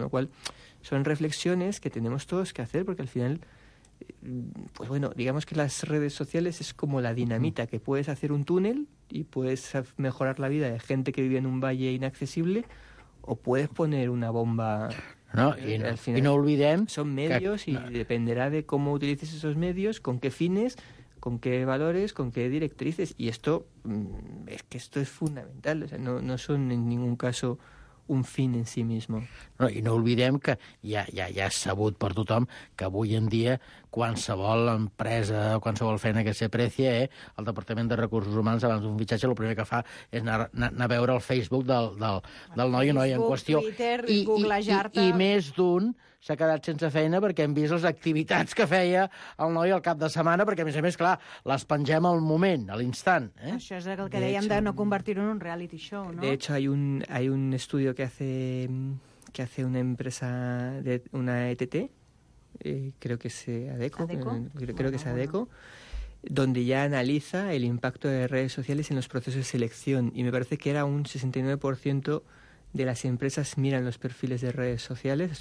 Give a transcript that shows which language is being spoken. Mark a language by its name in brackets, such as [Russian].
[Spanish] Con lo cual, son reflexiones que tenemos todos que hacer, porque al final, pues bueno, digamos que las redes sociales es como la dinamita, que puedes hacer un túnel y puedes mejorar la vida de gente que vive en un valle inaccesible, o puedes poner una bomba. No, y no, al final, y no olvidem, son medios que, no. Y dependerá de cómo utilices esos medios, con qué fines, con qué valores, con qué directrices. Y esto es que esto es fundamental, o sea, no son en ningún caso un fin en sí mismo. [Catalan] No, i no oblidem que ja és sabut per tothom que avui en dia qualsevol empresa o qualsevol feina que s'aprecia, el Departament de Recursos Humans, abans d'un fitxatge, el primer que fa és anar a veure el Facebook del noi o noia en qüestió. Facebook, Twitter, googlejar-te... I més d'un s'ha quedat sense feina perquè hem vist les activitats que feia el noi al cap de setmana, perquè, a més, clar, les pengem al moment, a l'instant. Això és el que dèiem, de no convertir-ho en un reality show, no? [Spanish] De hecho, hay un estudio que hace una empresa, de una ETT, creo que es Adecco, donde ya analiza el impacto de redes sociales en los procesos de selección. Y me parece que era un 69% de las empresas miran los perfiles de redes sociales.